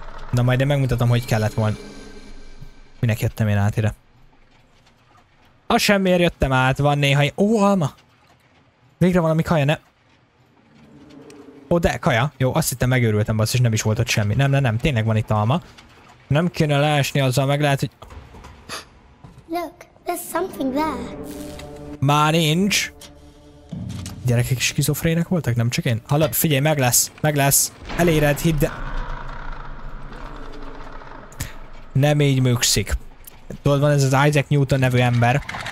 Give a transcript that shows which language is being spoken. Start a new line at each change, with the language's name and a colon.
Hungarian: Na majd én megmutatom, hogy kellett volna. Minek jöttem én át ide? A semmiért jöttem át, van néha... Ó, alma! Végre valami kaja, ne? Ó, de kaja. Jó, azt hittem megőrültem, basz, és nem is volt ott semmi. Nem, tényleg van itt alma. Nem kéne leesni azzal, meg lehet, hogy...
English: Look, there's something there.
Hungarian: Már nincs. Gyerekek is skizofrének voltak, nem csak én? Hallod, figyelj, meg lesz. Eléred, hidd el. Nem így működik. Tudod, van ez az Isaac Newton nevű ember.